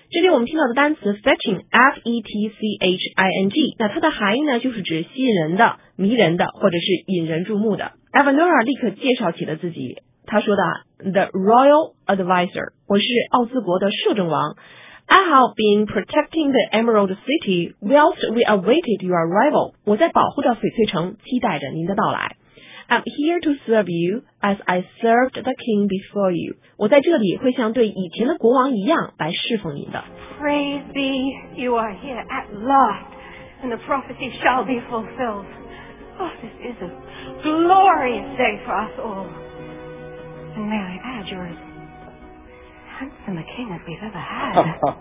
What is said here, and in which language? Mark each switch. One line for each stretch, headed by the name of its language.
Chinese: 这里我们听到的单词 fetching, F-E-T-C-H-I-N-G, 那它的含义呢就是指吸引人的、迷人的或者是引人注目的。 Evanora 立刻介绍起了自己，她说的
English: The Royal Advisor,
Chinese: 我是奥兹国的摄政王，
English: I have been protecting the Emerald City whilst we awaited your arrival.
Chinese: 我在保护着翡翠城，期待着您的到来。
English: I'm here to serve you as I served the king before you.
Chinese: 我在这里会像对以前的国王一样来侍奉您的。
English: Praise be, you are here at last, and the prophecy shall be fulfilled. Oh, this is a glorious day for us all. And may I add yours? Handsome a king as we've ever had.